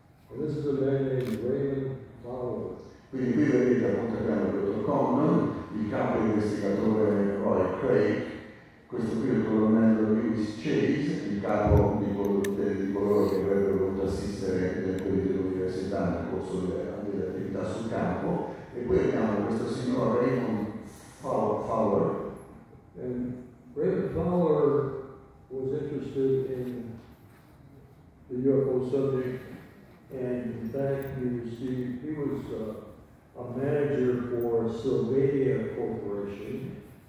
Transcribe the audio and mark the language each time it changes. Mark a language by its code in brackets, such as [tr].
[en] And this is a man named Raymond Fowler. [it] Quindi qui vedete appunto il dottor Condon, il capo investigatore Roy Craig. Questo qui è il colonnello Lewis Chase, il capo di coloro che avrebbero voluto assistere nelle politiche dell'università nel corso delle attività sul campo. E poi abbiamo questo signor Raymond Fowler. [en] And Raymond Fowler was interested in the UFO subject, and in fact he was a manager for Sylvania Corporation.